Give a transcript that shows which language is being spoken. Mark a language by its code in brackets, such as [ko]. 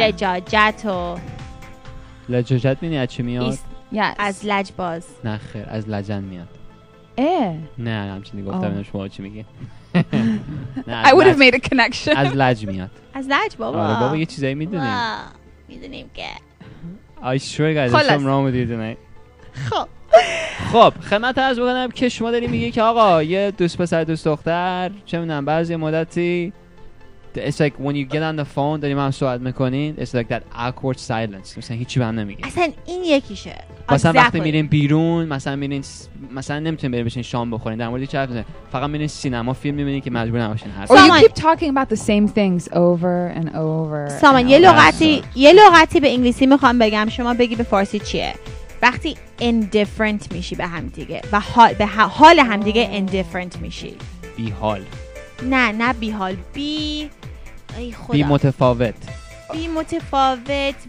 [fa] لجاجت و لجاجت میانی از چی میاد؟ از لجباز. نه خیر از لجن میاد. اه نه همچنین گفتم شما چی میگی؟ [en] I would have made a connection. [fa] از لج میاد. از لج بابا. آره بابا یه چیزایی میدونیم. میدونیم که. [en] I swear guys, there's something wrong with you tonight. [fa] خب خدمت عرض بکنم که شما داری میگی که آقا یه دوست پسر دوست دختر چه میدونم بعضی مدتی [en] it's like when you get on the phone [fa] داری من صحبت میکنین [en] it's like that awkward silence. [fa] مثلا هیچی به هم نمیگی. اصلا این یکیشه. مثلا وقتی میرین بیرون مثلا نمیتونین بریم بشین شام بخورین در مورد چی حرف بزنین فقط میرین سینما فیلم میبینین که مجبور نباشین حرف بزنین. [en] You keep talking about the same things over and over. [fa] سامان یه لغتی به انگلیسی میخوام بگم شما بگی به فارسی چیه. وقتی indifferent میشی به هم دیگه و حال به حال هم دیگه indifferent میشی. بی حال. نه بی حال. بی ای خدا. بی متفاوت